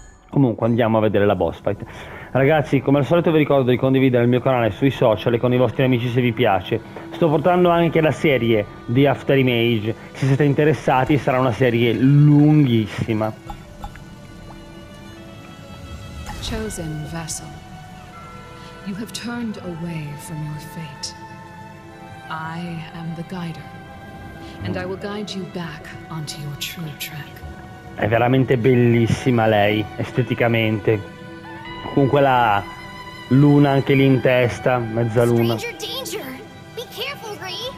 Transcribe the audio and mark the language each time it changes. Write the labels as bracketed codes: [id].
[it] Comunque andiamo a vedere la boss fight. Ragazzi, come al solito vi ricordo di condividere il mio canale sui social e con i vostri amici se vi piace. Sto portando anche la serie di After Image, se siete interessati sarà una serie lunghissima. [en] Chosen vessel, you have turned away from your fate. I am the guider, and I will guide you back onto your true track. [it] È veramente bellissima lei, esteticamente. Comunque la luna anche lì in testa, mezzaluna. [en] Stranger, be careful, Ray.